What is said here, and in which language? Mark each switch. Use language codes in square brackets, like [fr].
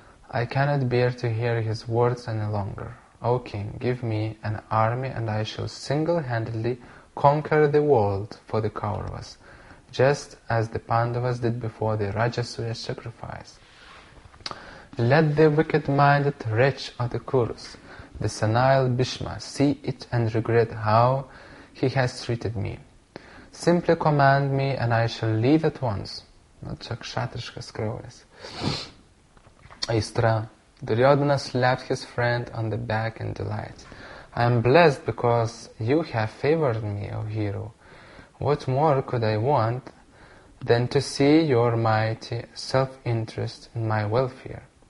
[en] I cannot bear to hear his words any longer. O king, give me an army and I shall single-handedly conquer the world for the Kauravas, just as the Pandavas did before the Rajasuya sacrifice. Let the wicked-minded wretch of the Kurus, the senile Bhishma, see it and regret how he has treated me. Simply command me and I shall leave at once. [lt] Na čia kšatriškas kraujas. Aistra. [en] Duryodhana slapped his friend on the back in delight. I am blessed because you have favored me, O hero. What more could I want than to see your mighty self-interest in my welfare?